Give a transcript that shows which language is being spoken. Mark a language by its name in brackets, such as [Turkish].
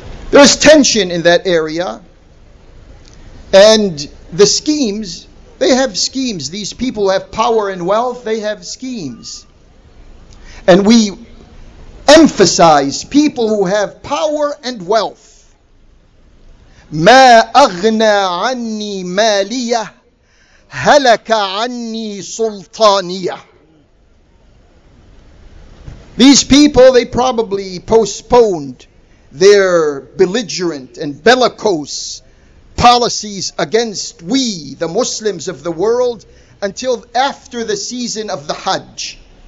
[English] There's tension in that area. And the schemes, they have schemes. These people have power and wealth, they have schemes. And we emphasize people who have power and wealth. [Arabic] ما أغنى عني مالية هلك عني سلطانية. [English] These people, they probably postponed their belligerent and bellicose policies against we, the Muslims of the world, until after the season of the Hajj.